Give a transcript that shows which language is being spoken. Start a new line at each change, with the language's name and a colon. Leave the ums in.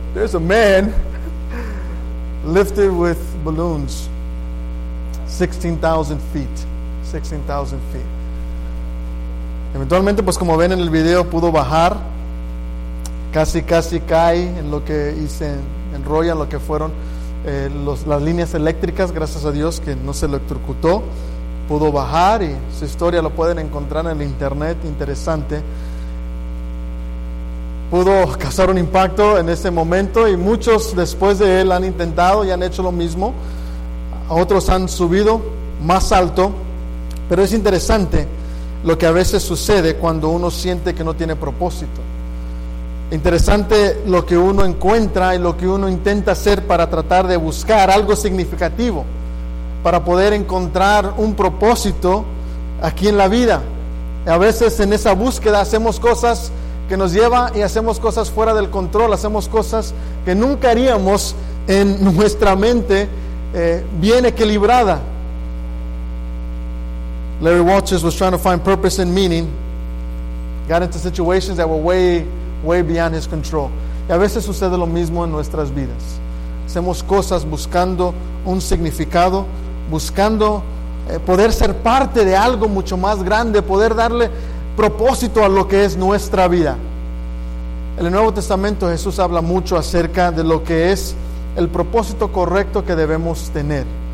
English: There's a man lifted with balloons, 16,000 feet, 16,000 feet.
Spanish: Eventualmente, pues como ven en el video, pudo bajar, casi, casi cae en lo que hice, enrollan en lo que fueron eh, los, las líneas eléctricas, gracias a Dios que no se electrocutó, pudo bajar y su historia lo pueden encontrar en el internet, interesante pudo causar un impacto en ese momento y muchos después de él han intentado y han hecho lo mismo. Otros han subido más alto, pero es interesante lo que a veces sucede cuando uno siente que no tiene propósito. Interesante lo que uno encuentra y lo que uno intenta hacer para tratar de buscar algo significativo, para poder encontrar un propósito aquí en la vida. Y a veces en esa búsqueda hacemos cosas que nos lleva y hacemos cosas fuera del control, hacemos cosas que nunca haríamos en nuestra mente eh, bien equilibrada.
English: Larry Walters was trying to find purpose and meaning, got into situations that were way, way beyond his control.
Spanish: Y a veces sucede lo mismo en nuestras vidas. Hacemos cosas buscando un significado, buscando eh, poder ser parte de algo mucho más grande, poder darle propósito a lo que es nuestra vida. En el Nuevo Testamento Jesús habla mucho acerca de lo que es el propósito correcto que debemos tener.